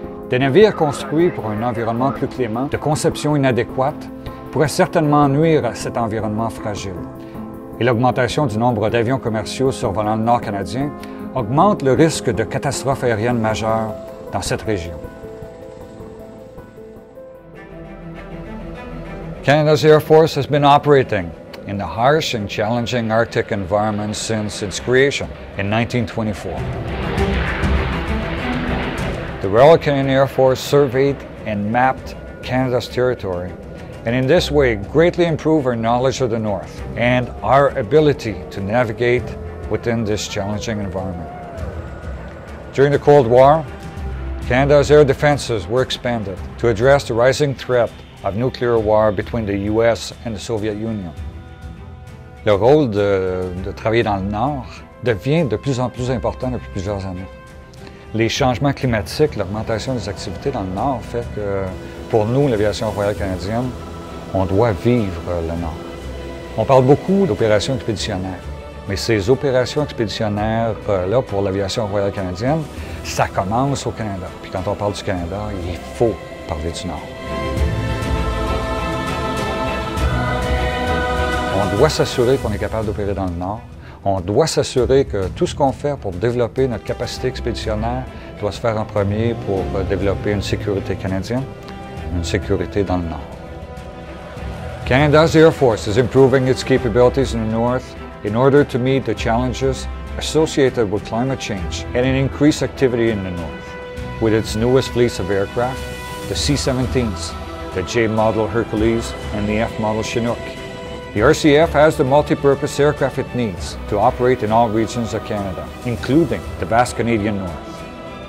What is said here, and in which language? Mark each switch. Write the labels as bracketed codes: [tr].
[fr] Des navires construits pour un environnement plus clément, de conception inadéquate, pourraient certainement nuire à cet environnement fragile. Et l'augmentation du nombre d'avions commerciaux survolant le Nord canadien augmente le risque de catastrophes aériennes majeures dans cette région. [en] Canada's Air Force has been operating in the harsh and challenging Arctic environment since its creation in 1924. The Royal Canadian Air Force surveyed and mapped Canada's territory, and in this way greatly improved our knowledge of the North and our ability to navigate within this challenging environment. During the Cold War, Canada's air defenses were expanded to address the rising threat of nuclear war between the U.S. and the Soviet Union. [fr] Le rôle de travailler dans le Nord devient de plus en plus important depuis plusieurs années. Les changements climatiques, l'augmentation des activités dans le Nord fait que, pour nous, l'aviation royale canadienne, on doit vivre le Nord. On parle beaucoup d'opérations expéditionnaires, mais ces opérations expéditionnaires-là pour l'aviation royale canadienne, ça commence au Canada. Puis quand on parle du Canada, il faut parler du Nord. On doit s'assurer qu'on est capable d'opérer dans le Nord. On doit s'assurer que tout ce qu'on fait pour développer notre capacité expéditionnaire doit se faire en premier pour développer une sécurité canadienne, une sécurité dans le Nord. [en] Canada's Air Force is improving its capabilities in the North in order to meet the challenges associated with climate change and an increased activity in the North. With its newest fleets of aircraft, the C-17s, the J-model Hercules, and the F-model Chinook, the RCF has the multi-purpose aircraft it needs to operate in all regions of Canada, including the vast Canadian North.